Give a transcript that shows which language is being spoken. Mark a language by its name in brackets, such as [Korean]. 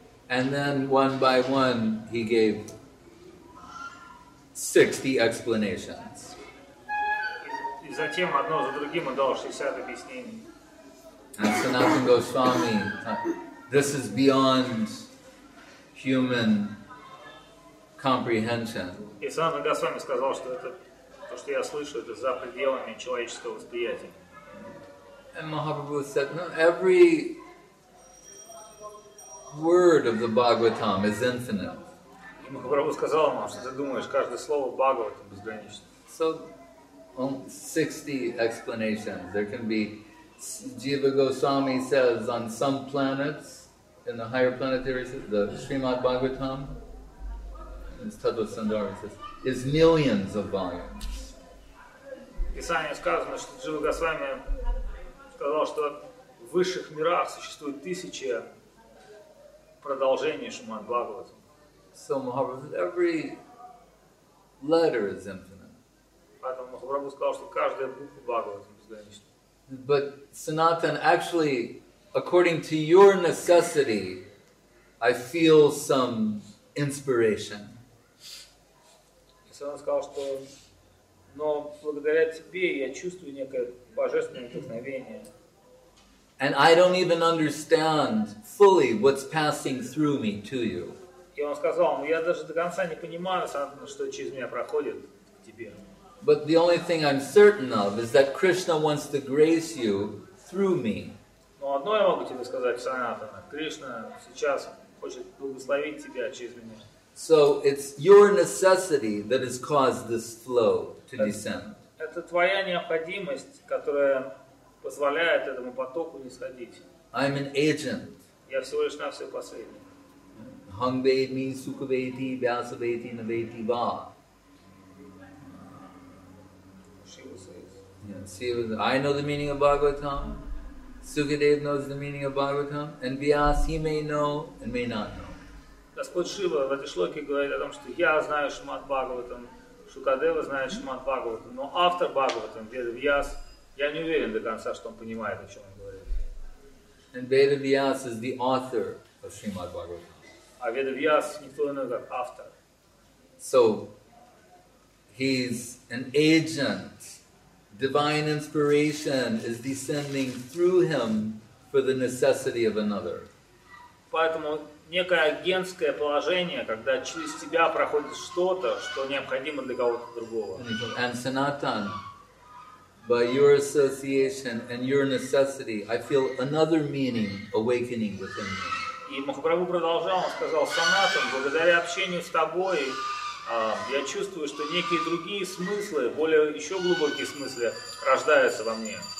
[English] And then one by one he gave 60 explanations. [Russian] И затем одно за другим он дал 60 объяснений. [English] And Sanatana Goswami, this is beyond human comprehension. [Russian] И Sanatana Goswami сказал, что это то, что я слышу, это за пределами человеческого восприятия. [English] And Mahaprabhu said, no, every word of the Bhagavatam is infinite. [Russian] И Махапрабху сказал ему, что ты думаешь, каждое слово Бхагавата безгранично. [English] So, only 60 explanations. There can be, Jiva Goswami says, on some planets, in the higher planetary system, the Srimad Bhagavatam, as Tadva Sundari says, is millions of volumes. [Russian] Писание сказано, что Джива Госвами сказал, что в высших мирах существует тысячи продолжений Шримад Бхагавата. [English] So Mahaprabhu, every letter is infinite. [Russian] Поэтому Махапрабху сказал, что каждая буква Бхагавата безгранична. [English] But Sanatan, actually, according to your necessity, I feel some inspiration. [Russian] Sanatan сказал, что, но благодаря тебе я чувствую некое божественное вдохновение. [English] And I don't even understand fully what's passing through me to you. [Russian] И он сказал ему, я даже до конца не понимаю, Санатана, что через меня проходит к тебе. [English] But the only thing I'm certain of is that Krishna wants to grace you through me. [Russian] Но одно я могу тебе сказать, Санатана, Кришна сейчас хочет благословить тебя через меня. [English] So it's your necessity that has caused this flow to descend. [Russian] Это твоя необходимость, которая позволяет этому потоку не сходить. [English] I'm an agent. [Russian] Я всего лишь навсего посредник. Hangbeidmi, sukhbeidmi, vyasabeidmi, naveidmi, ba. [English] Shiva says. I know the meaning of Bhagavatam. Sukadeva knows the meaning of Bhagavatam. And Vyas, he may know and may not know. [Russian] Господь Шива в этой шлоке говорит о том, что я знаю Шримад Бхагаватам, Шукадева знает Шримад Бхагаватам, но автор Бхагаватам, Вьяс, я не уверен до конца, что он понимает, о чем он говорит. [English] And Veda Vyas is the author of Srimad Bhagavatam. [Russian] А Веда Вьяс никто иной, как автор. [English] So, he's an agent. Divine inspiration is descending through him for the necessity of another. [Russian] Поэтому некое агентское положение, когда через тебя проходит что-то, что необходимо для кого-то другого. [English] And Sanatan, by your association and your necessity, I feel another meaning awakening within me. [Russian] И Махапрабху продолжал, он сказал, Санатан, благодаря общению с тобой, Я чувствую, что некие другие смыслы, более еще глубокие смыслы рождаются во мне.